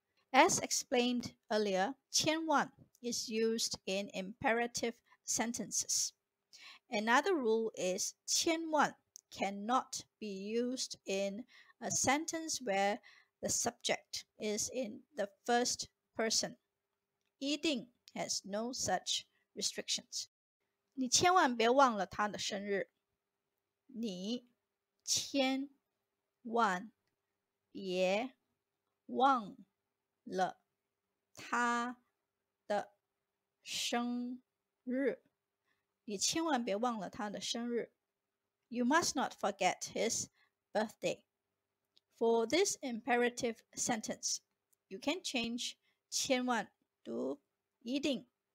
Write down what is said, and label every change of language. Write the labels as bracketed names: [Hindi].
[English] As explained earlier, 千万 is used in imperative sentences. Another rule is 千万 cannot be used in a sentence where the subject is in the first person. 一定 has no such restrictions. [Chinese] 你千万别忘了他的生日。你千万别忘了他的生日。你千万别忘了他的生日。 [English] You must not forget his birthday. For this imperative sentence, you can change 千万 to 一定.